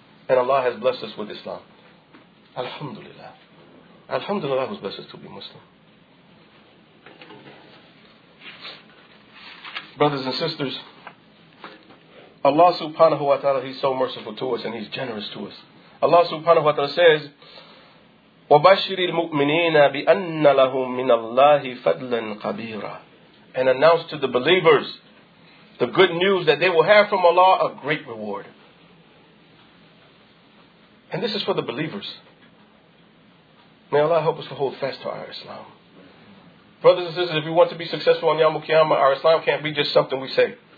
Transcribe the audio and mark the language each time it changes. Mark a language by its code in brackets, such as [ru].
[en] And Allah has blessed us with Islam. Alhamdulillah. Alhamdulillah has blessed us to be Muslim. Brothers and sisters, Allah subhanahu wa ta'ala, He's so merciful to us and He's generous to us. [ar] Allah subhanahu wa ta'ala [en] says, [ar] وَبَشِّرِ الْمُؤْمِنِينَ بِأَنَّ لَهُمْ مِنَ اللَّهِ فَضْلًا قَبِيرًا. [en] And announce to the believers the good news that they will have from Allah a great reward. And this is for the believers. May Allah help us to hold fast to our Islam. Brothers and sisters, if we want to be successful on Yawm al-Qiyamah, our Islam can't be just something we say.